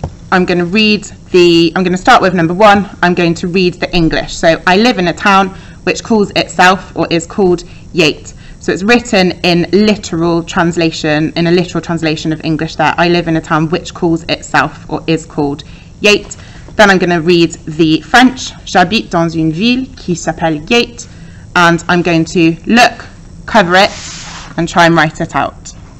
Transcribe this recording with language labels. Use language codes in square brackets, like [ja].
[en] I'm going to start with number one. I'm going to read the English. So I live in a town which calls itself or is called Yate. So it's written in literal translation, in a literal translation of English there. I live in a town which calls itself or is called Yate. Then I'm going to read the French. [fr] J'habite dans une ville qui s'appelle Yate. [en] And I'm going to look, cover it, and try and write it out.